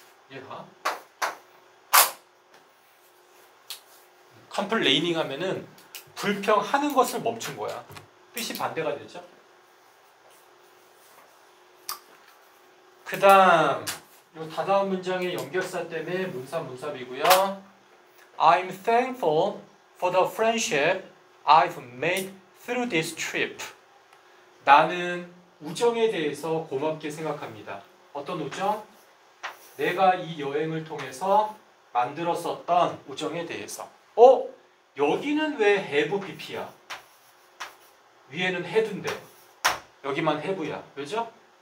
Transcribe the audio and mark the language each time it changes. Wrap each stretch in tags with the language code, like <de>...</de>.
<ko>얘가 complaining 하면은 불평하는 것을 멈춘 거야. 뜻이 반대가 되죠. 그 다음 요 다다음 문장의 연결사 때문에 문사비고요.</ko> <en>I'm thankful for the friendship I've made through this trip.</en> <ko>나는 우정에 대해서 고맙게 생각합니다. 어떤 우정? 내가 이 여행을 통해서 만들었었던 우정에 대해서. 어? 여기는 왜 have pp야? 위에는 had인데 여기만 have야. 왜죠?</ko>